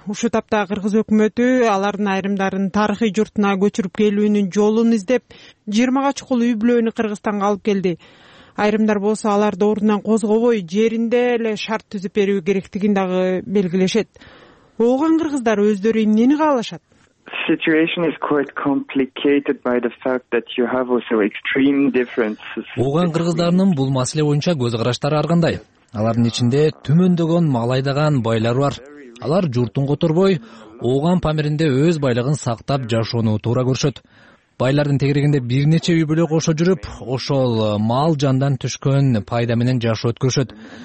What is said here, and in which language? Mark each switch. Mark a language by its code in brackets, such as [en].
[ky] Ушул тапта кыргыз өкмөтү алардын айрымдарын тарыхый журтуна көчүрүп келүүнүн жолун издеп, 20 чукул үй бүлөнү Кыргызстанга алып келди. Айрымдар болсо аларды ордунан козгобой, жеринде эле шарт түзүп берүү керектигин дагы белгилешет. Ооган кыргыздар өздөрү эмнени каалашат? [en] Situation is quite complicated by the fact that you have also extreme differences. [ky] Ооган кыргыздарынын бул маселе боюнча көз караштары ар кандай. Алардын ичинде түмөндөгөн маалайдаган байлар бар. Алар журтун которбой, ооган памиринде өз байлыгын сактап жашоону туура көрүшөт. Байлардын тегерегинде бир нече үй бүлө кошо жүрүп, ошол мал жандан түшкөн пайда менен жашоо өткөрүшөт.